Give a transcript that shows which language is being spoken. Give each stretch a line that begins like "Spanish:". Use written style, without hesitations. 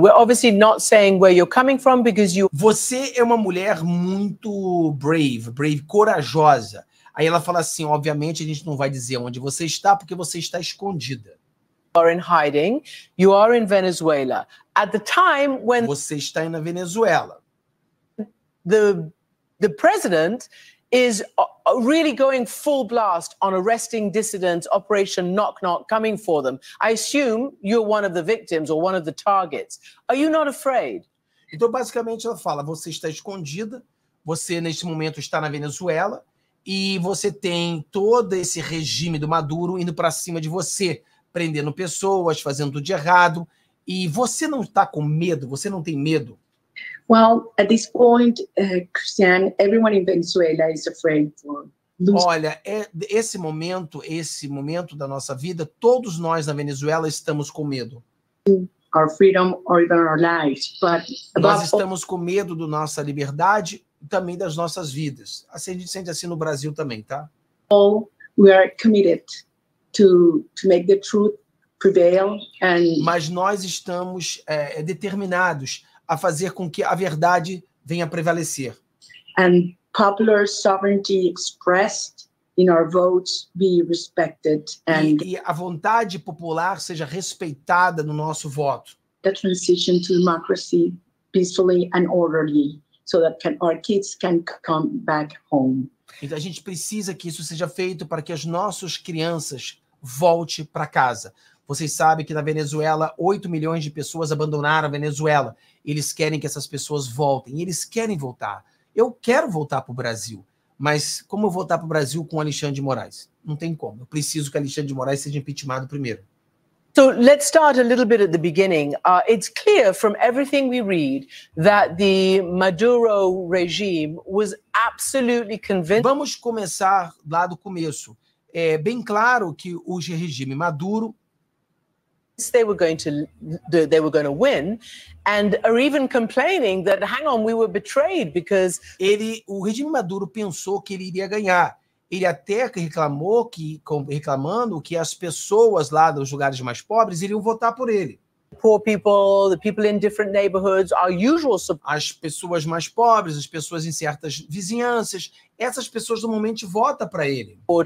English: We're obviously not saying where you're coming from because you...
Portuguese: Você é uma mulher muito brave, corajosa. Aí ela fala assim, obviamente a gente não vai dizer onde você está porque você está escondida.
English: Are in hiding, you are in Venezuela. At the time when
Portuguese: você está na Venezuela,
English: the president is really going full blast on arresting dissidents, Operation Knock Knock, coming for them. I assume you're one of the victims or one of the targets. Are you not afraid?
Portuguese: Então basicamente ela fala, você está escondida, você neste momento está na Venezuela e você tem todo esse regime do Maduro indo para cima de você, prendendo pessoas, fazendo tudo de errado, e você não está com medo, você não tem medo?
English: Well, at this point, Christian, everyone in Venezuela is afraid for losing.
Portuguese: Olha, esse momento da nossa vida, todos nós na Venezuela estamos com medo.
English: Our freedom or even our lives, but
Portuguese: nós estamos com medo da nossa liberdade e também das nossas vidas. Assim, a gente sente assim no Brasil também, tá?
English: All we are committed to make the truth prevail and...
Portuguese: Mas nós estamos determinados a fazer com que a verdade venha a prevalecer.
English: And popular sovereignty expressed in our votes be respected and
Portuguese: e a vontade popular seja respeitada no nosso voto.
English: The transition to democracy peacefully and orderly so that can, our kids can come back home.
Portuguese: Então a gente precisa que isso seja feito para que as nossas crianças voltem para casa. Vocês sabem que na Venezuela 8 milhões de pessoas abandonaram a Venezuela. Eles querem que essas pessoas voltem. Eles querem voltar. Eu quero voltar para o Brasil. Mas como eu vou voltar para o Brasil com Alexandre de Moraes? Não tem como. Eu preciso que Alexandre de Moraes seja impeachmentado primeiro.
English: So let's start a little bit at the beginning. It's clear from everything we read that the Maduro regime was absolutely convinced.
Portuguese: Vamos começar lá do começo. É bem claro que o regime Maduro
English: they were going to win and are even complaining that hang on, we were betrayed because
Portuguese: o regime Maduro pensou que ele iria ganhar. Ele até reclamou que, reclamando que as pessoas lá dos lugares mais pobres iriam votar por ele.
English: Poor people, the people in different neighborhoods, our usual
Portuguese: as pessoas mais pobres, as pessoas em certas vizinhanças, essas pessoas normalmente votam para ele.